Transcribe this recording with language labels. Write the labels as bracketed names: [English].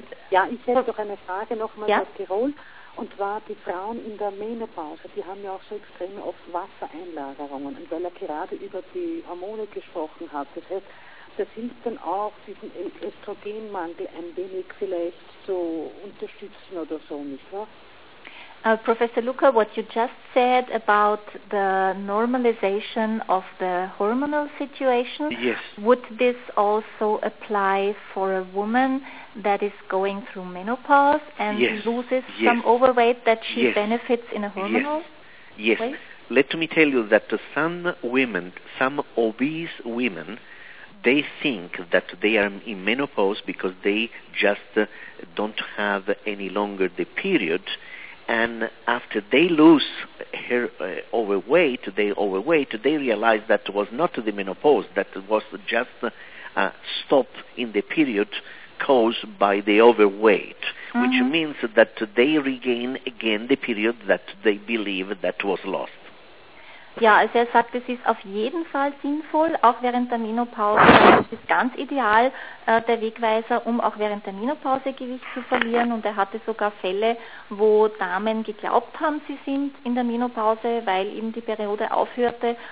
[German] Ja, ich hätte doch eine Frage nochmal aus Tirol. Und zwar die Frauen in der Menopause, die haben ja auch so extreme oft Wassereinlagerungen. Und weil er gerade über die Hormone gesprochen hat, das heißt... Das hilft dann auch, diesen Östrogenmangel ein wenig vielleicht zu unterstützen oder so, nicht wahr? [English] Professor Luca, what you just said about the normalization of the hormonal situation, yes. Would this also apply for a woman that is going through menopause and yes. loses yes. some overweight that she yes. benefits in a hormonal yes. way? Yes. Let me tell you that some women, some obese women, they think that they are in menopause because they just don't have any longer the period, and after they lose her overweight, they realize that was not the menopause, that was just a stop in the period caused by the overweight, mm-hmm. which means that they regain again the period that they believe that was lost. [German] Ja, also er sagt, es ist auf jeden Fall sinnvoll, auch während der Menopause. Das ist ganz ideal, der Wegweiser, um auch während der Menopause Gewicht zu verlieren. Und er hatte sogar Fälle, wo Damen geglaubt haben, sie sind in der Menopause, weil eben die Periode aufhörte.